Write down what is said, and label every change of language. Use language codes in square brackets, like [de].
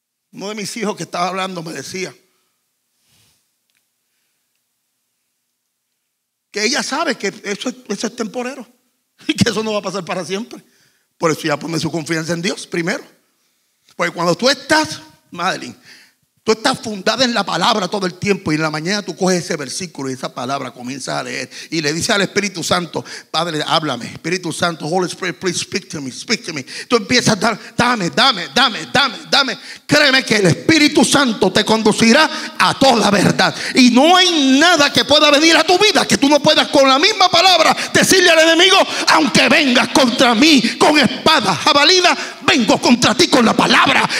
[es] Uno de mis hijos que estaba hablando me decía que ella sabe que eso es temporero y que eso no va a pasar para siempre. Por eso ya pone su confianza en Dios primero. Porque cuando tú estás, Madeline, tú estás fundada en la palabra todo el tiempo, y en la mañana tú coges ese versículo y esa palabra, comienzas a leer y le dices al Espíritu Santo: Padre, háblame. [en] Espíritu Santo, Holy Spirit, please speak to me, speak to me. [es] Tú empiezas a dar, dame, dame, dame, dame, dame. Créeme que el Espíritu Santo te conducirá a toda verdad. Y no hay nada que pueda venir a tu vida que tú no puedas con la misma palabra decirle al enemigo: aunque vengas contra mí con espada, jabalina, vengo contra ti con la palabra.